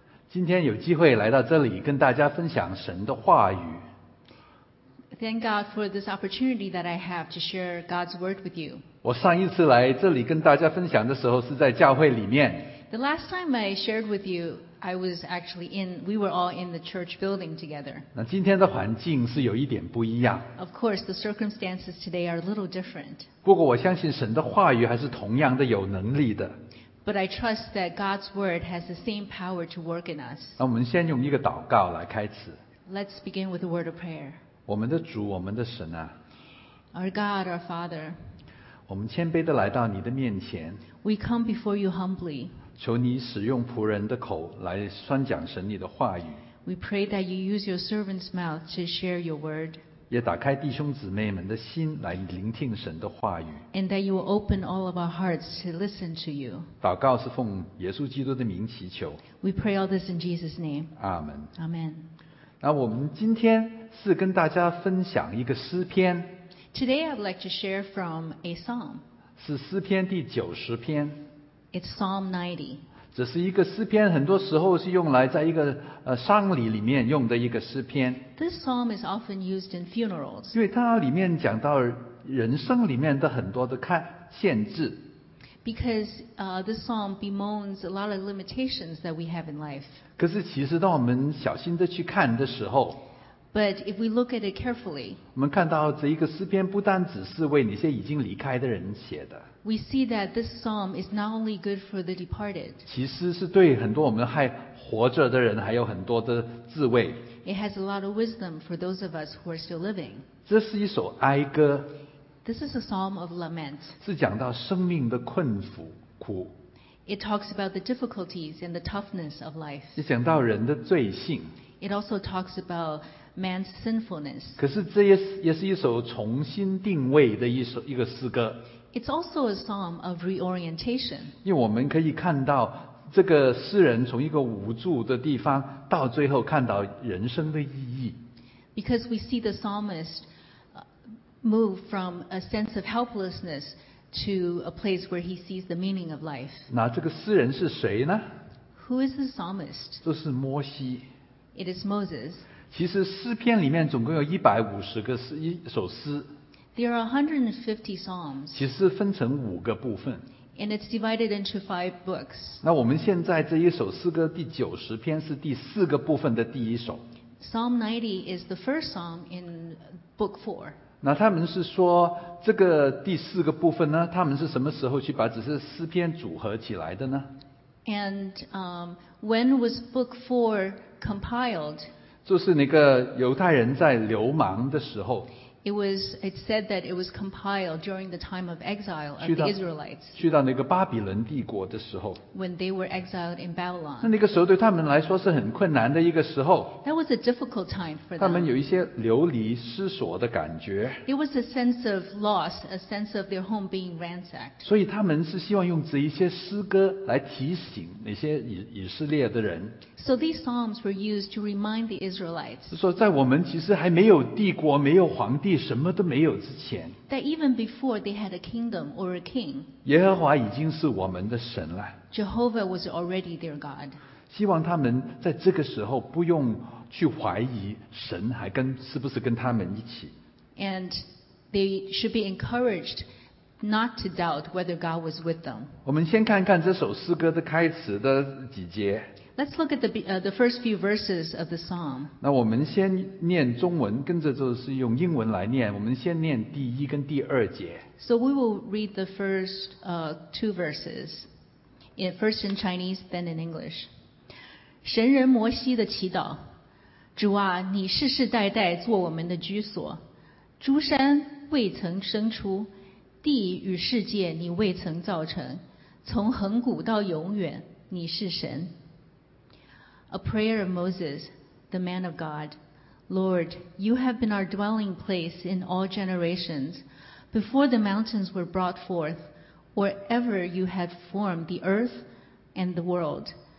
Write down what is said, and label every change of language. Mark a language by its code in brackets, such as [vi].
[zh] 今天有机会来到这里跟大家分享神的话语。 [en] Thank God for this opportunity that I have to share God's word with you。 [zh] 我上一次来这里跟大家分享的时候是在教会里面。 [en] The last time I shared with you I was actually in, we were all in the church building together。 [zh] 那今天的环境是有一点不一样。 [en] Of course the circumstances today are a little different。 [zh] 不过我相信神的话语还是同样的有能力的。 [en] But I trust that God's word has the same power to work in us。 [zh] 那我们先用一个祷告来开始。 [en] Let's begin with a word of prayer。 [zh] 我们的主，我们的神啊。 [en] Our God, our Father。 [zh] 我们谦卑地来到你的面前。 [en] We come before you humbly。 [zh] 求你使用仆人的口来宣讲神你的话语。 [en] We pray that you use your servant's mouth to share your word。 [zh] 也打开弟兄姊妹们的心来聆听神的话语。 [en] And that you will open all of our hearts to listen to you。 [zh] 祷告是奉耶稣基督的名祈求。 [en] We pray all this in Jesus' name。 Amen。 Amen。 [zh] 那我们今天是跟大家分享一个诗篇。 [en] Today I'd like to share from a psalm。 [zh] 是诗篇第九十篇。 [en] It's Psalm 90。 [zh] 这是一个诗篇，很多时候是用来在一个丧礼里面用的一个诗篇。 [en] This psalm is often used in funerals。 [zh] 因为它里面讲到人生里面的很多的限制。 [en] Because this psalm bemoans a lot of limitations that we have in life。 [zh] 可是其实当我们小心的去看的时候。 [en] But if we look at it carefully。 [zh] 我们看到这一个诗篇不单只是为那些已经离开的人写的。 [en] We see that this psalm is not only good for the departed。 [zh] 其实是对很多我们还活着的人还有很多的智慧。 [en] It has a lot of wisdom for those of us who are still living。 [zh] 这是一首哀歌。 [en] This is a psalm of lament。 [zh] 是讲到生命的困苦苦。 [en] It talks about the difficulties and the toughness of life。 [zh] 也讲到人的罪性。 [en] It also talks about man's sinfulness。 [zh] 可是这也是一首重新定位的一个诗歌。 [en] It's also a psalm of reorientation。 [zh] 因为我们可以看到这个诗人从一个无助的地方到最后看到人生的意义。 [en] Because we see the psalmist move from a sense of helplessness to a place where he sees the meaning of life。 [zh] 那这个诗人是谁呢？ [en] Who is the psalmist? [zh] 这是摩西。 [en] It is Moses。 [zh] 其实诗篇里面总共有150个一首诗。 [en] There are 150 psalms。 [zh] 其实分成五个部分。 [en] And it's divided into five books。 [zh] 那我们现在这一首诗歌第九十篇是第四个部分的第一首。 [en] Psalm 90 is the first psalm in book four。 [zh] 那他们是说这个第四个部分呢？他们是什么时候去把只是诗篇组合起来的呢 [en] ？And when was book four compiled？ [zh] 就是那个犹太人在流亡的时候。 [en] It was. It said that it was compiled during the time of exile of the Israelites. [zh] 去到那个巴比伦帝国的时候。 [en] When they were exiled in Babylon. [zh] 那个时候对他们来说是很困难的一个时候。 [en] That was a difficult time for them. [zh] 他们有一些流离失所的感觉。 [en] It was a sense of loss, a sense of their home being ransacked. [zh] 所以他们是希望用这一些诗歌来提醒那些以色列的人。 [en] So these psalms were used to remind the Israelites. [zh] 说在我们其实还没有帝国，没有皇帝。什么都没有之前 [en] that even before they had a kingdom or a king， [zh] 耶和华已经是我们的神了。 [en] Jehovah was already their God。 [zh] 希望他们在这个时候不用去怀疑神还跟是不是跟他们一起。 [en] And they should be encouraged not to doubt whether God was with them。 [zh] 我们先看看这首诗歌的开始的几节。 [en] Let's look at the first few verses of the psalm。 [zh] 那我们先念中文，跟着就是用英文来念。我们先念第一跟第二节。 [en] So we will read the first two verses, first in Chinese, then in English。 [zh] 神人摩西的祈祷：主啊，你世世代代做我们的居所，诸山未曾生出，地与世界你未曾造成，从恒古到永远，你是神。 [en] A prayer of Moses, the man of God. Lord, you have been our dwelling place in all generations, before the mountains were brought forth, or ever you had formed the earth and the world.